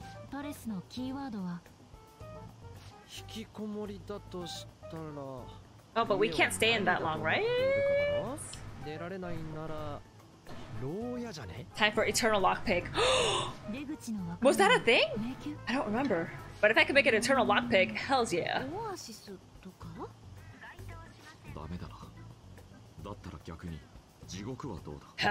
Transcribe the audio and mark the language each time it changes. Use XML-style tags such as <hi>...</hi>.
<ja>パレスのキーワードは引きこもりだとしたら。</ja> <en>Oh, but we can't stay in that long, right?</en> <ja>出られないなら牢屋じゃね?</ja> <en>Time for eternal lockpick. Was that a thing? I don't remember. But if I can make an eternal lockpick, hells yeah.</en> <ja>オアシスとか? ダメだな。だったら逆に地獄はどうだ?</ja>